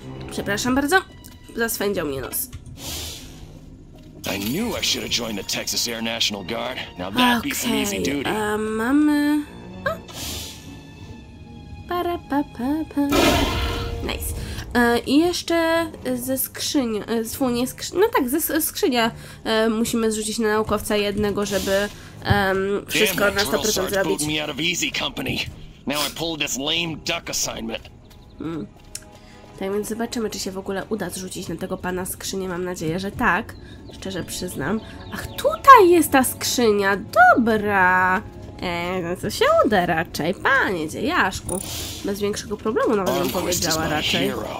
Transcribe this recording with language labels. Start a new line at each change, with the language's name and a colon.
Polish: Przepraszam bardzo, zaswędział mnie nos.
English: I knew I should have joined the Texas Air National Guard. Now that'd be some easy duty.
Polish: Mamy... Para pa pa pa.
English: Nice.
Polish: I jeszcze ze skrzyni, z funii skrzyni, no tak, ze skrzynia musimy zrzucić na naukowca jednego, żeby wszystko na 100% zrobić.
English: Damn, out of easy company. Now I pulled this lame duck assignment.
Polish: Tak więc zobaczymy, czy się w ogóle uda zrzucić na tego pana skrzynię. Mam nadzieję, że tak. Szczerze przyznam. Ach, tutaj jest ta skrzynia. Dobra. Co się uda raczej? Panie dziejaszku, bez większego problemu nawet bym powiedziała raczej.